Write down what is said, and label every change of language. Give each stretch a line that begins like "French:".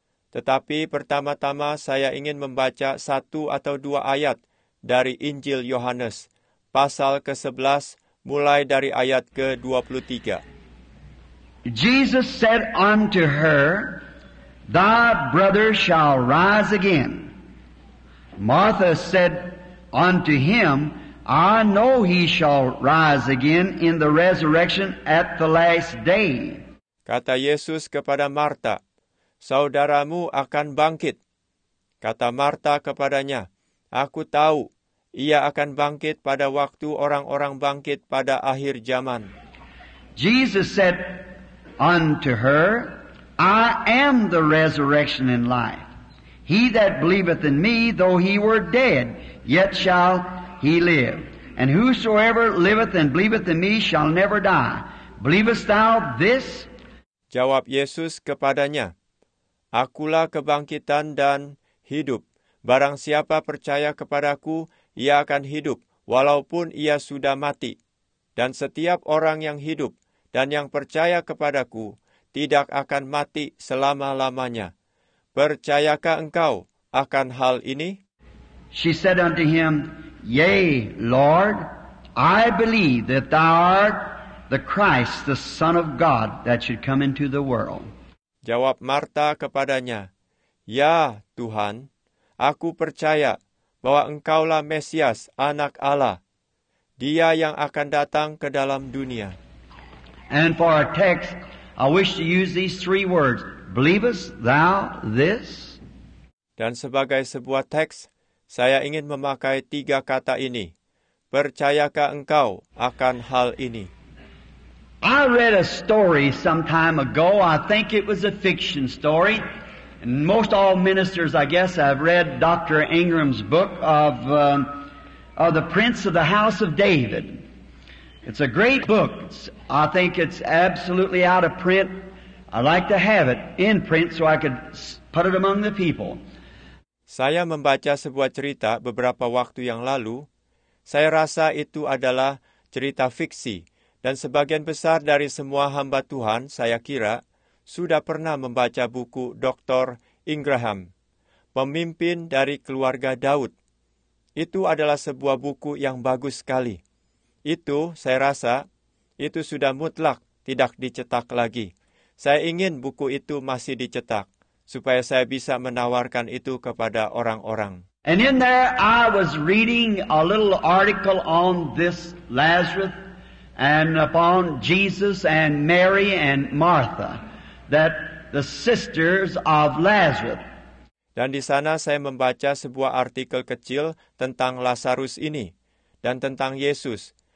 Indonesian: Tetapi pertama-tama saya ingin membaca satu atau dua ayat dari Injil Yohanes, pasal ke-11, mulai dari ayat ke-23.
English: Jesus said unto her, Thy brother shall rise again. Martha said unto him, I know he shall rise again in the resurrection at the last day.
Indonesian: Kata Yesus kepada Martha, Saudaramu akan bangkit. Kata Martha kepadanya, Aku tahu ia akan bangkit pada waktu orang-orang bangkit pada akhir zaman.
English: Jesus said unto her, I am the resurrection and life. He that believeth in me, though he were dead, yet shall he live. And whosoever liveth and believeth in me shall never die. Believest thou this?
Indonesian: Jawab Yesus kepadanya, Akulah kebangkitan dan hidup. Barang siapa percaya kepadaku, ia akan hidup, walaupun ia sudah mati. Dan setiap orang yang hidup dan yang percaya kepadaku, tidak akan mati selama-lamanya. Percayakah engkau akan hal ini?
English: She said unto him, Yea, Lord, I believe that thou art the Christ, the Son of God, that should come into the world.
Indonesian: Jawab Martha kepadanya, Ya, Tuhan, aku percaya bahwa engkaulah Mesias, Anak Allah, Dia yang akan datang ke dalam dunia.
English: And for our text, I wish to use these three words, Believest thou this?
Indonesian: Dan sebagai sebuah teks, saya ingin memakai tiga kata ini. Percayakah engkau akan hal ini?
English: I read a story some time ago. I think it was a fiction story. And most all ministers, I guess, have read Dr. Ingram's book of The Prince of the House of David. It's a great book. I think it's absolutely out of print. I'd like to have it in print so I could put it among the people.
Indonesian: Saya membaca sebuah cerita beberapa waktu yang lalu. Saya rasa itu adalah cerita fiksi. Dan sebagian besar dari semua hamba Tuhan, saya kira, sudah pernah membaca buku Dr. Ingraham, Pemimpin dari Keluarga Daud. Itu adalah sebuah buku yang bagus sekali. Itu, saya rasa, itu sudah mutlak tidak dicetak lagi. Saya ingin buku itu masih dicetak, supaya saya bisa menawarkan itu kepada orang-orang.
English: And in there I was reading a little article on this Lazarus and upon Jesus and Mary and Martha, that the sisters of Lazarus.
Indonesian: Dan di sana saya membaca sebuah artikel kecil tentang Lazarus ini dan tentang Yesus